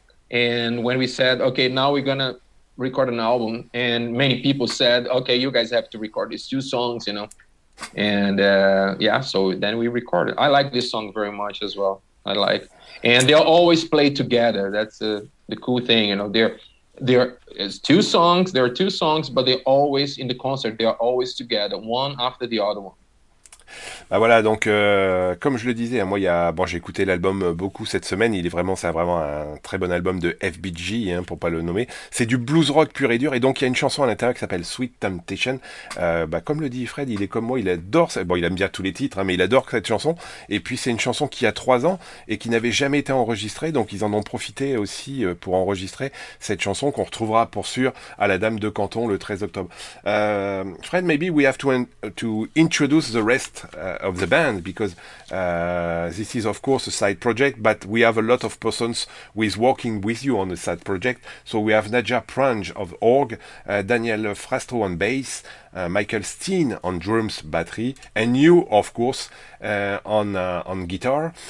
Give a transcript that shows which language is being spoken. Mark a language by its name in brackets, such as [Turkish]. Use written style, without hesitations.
[English] And when we said, okay, now we're gonna record an album, and many people said, okay, you guys have to record these two songs, And yeah, so then we recorded. I like this song very much as well. I like, and they always play together. That's the cool thing, There is two songs. There are two songs, but they always in the concert. They are always together, one after the other one. [French] Ben voilà, donc comme je le disais, moi, j'ai écouté l'album beaucoup cette semaine. C'est vraiment un très bon album de FBG, hein, pour pas le nommer. C'est du blues rock pur et dur, et donc il y a une chanson à l'intérieur qui s'appelle Sweet Temptation. Comme le dit Fred, il est comme moi, il adore. Bon, il aime bien tous les titres, hein, mais il adore cette chanson. Et puis c'est une chanson qui a 3 ans et qui n'avait jamais été enregistrée, donc ils en ont profité aussi pour enregistrer cette chanson qu'on retrouvera pour sûr à la Dame de Canton le 13 octobre. [English] Fred, maybe we have to introduce the rest. of the band, because this is of course a side project, but we have a lot of persons with working with you on the side project. So we have Nadja Prange of Org, Daniel Frastro on bass, Michael Steen on drums, battery, and you of course on guitar.